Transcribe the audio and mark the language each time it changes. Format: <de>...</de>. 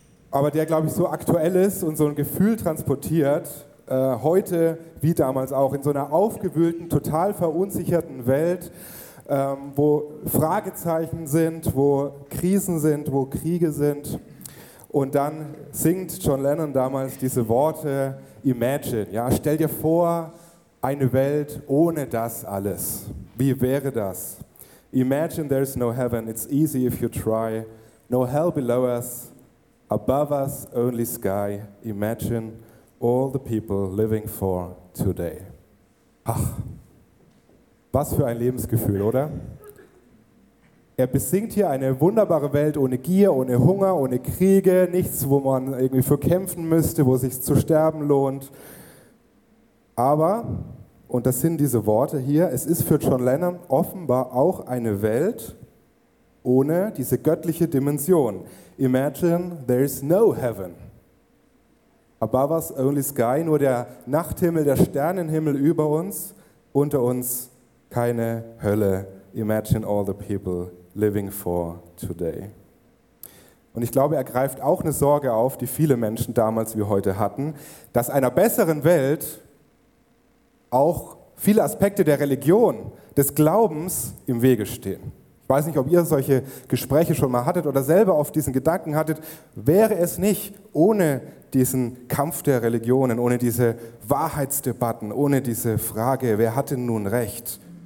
<de>Aber der, glaube ich, so aktuell ist und so ein Gefühl transportiert, heute wie damals auch, in so einer aufgewühlten, total verunsicherten Welt, wo Fragezeichen sind, wo Krisen sind, wo Kriege sind. Und dann singt John Lennon damals diese Worte, Imagine, ja, stell dir vor, eine Welt ohne das alles. Wie wäre das?</de> <en>Imagine there's no heaven, it's easy if you try. No hell below us, above us only sky. Imagine all the people living for today.</en> <de>Ach, was für ein Lebensgefühl, oder? Er besingt hier eine wunderbare Welt ohne Gier, ohne Hunger, ohne Kriege, nichts, wo man irgendwie für kämpfen müsste, wo es sich zu sterben lohnt. Aber, und das sind diese Worte hier, es ist für John Lennon offenbar auch eine Welt ohne diese göttliche Dimension.</de> <en>Imagine there is no heaven. Above us only sky,</en> <de>nur der Nachthimmel, der Sternenhimmel über uns, unter uns keine Hölle.</de> <en>Imagine all the people living for today.</en> <de>Und ich glaube, er greift auch eine Sorge auf, die viele Menschen damals wie heute hatten, dass einer besseren Welt auch viele Aspekte der Religion, des Glaubens im Wege stehen. Ich weiß nicht, ob ihr solche Gespräche schon mal hattet oder selber oft diesen Gedanken hattet, wäre es nicht ohne diesen Kampf der Religionen, ohne diese Wahrheitsdebatten, ohne diese Frage, wer hat denn nun Recht?</de>